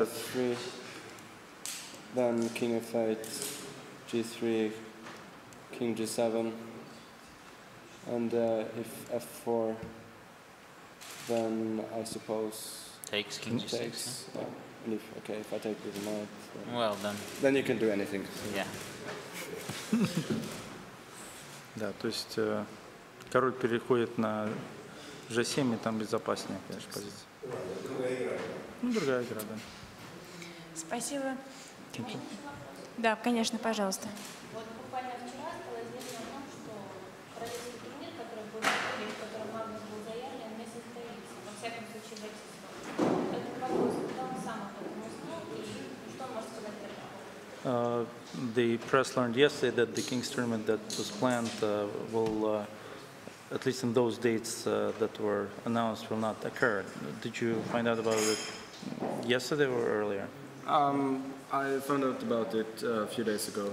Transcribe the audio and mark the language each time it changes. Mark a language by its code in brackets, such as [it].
[en] Let's say f3, then king f8, g3, king g7, and if f4, then I suppose takes king g6. Takes, yeah. And if, okay, if I take with the knight. Well, then. Then you can do anything. Yeah. [ru] Да, то есть король переходит на g7, и там безопаснее, конечно, позиция. Ну, другая игра, да. Спасибо. Да, конечно, пожалуйста. Вот буквально вчера стало известно о том, что королевский турнир, который был заявлен, в котором Магнус был заявлен, не состоится. Во всяком случае, в этих словах. Это вопрос, кто он сам об этом узнал, и что он может сказать для этого? [en] The press learned yesterday that the King's tournament that was planned will, at least in those dates that were announced, will not occur. Did you find out about it yesterday or earlier? I found out about it a few days ago.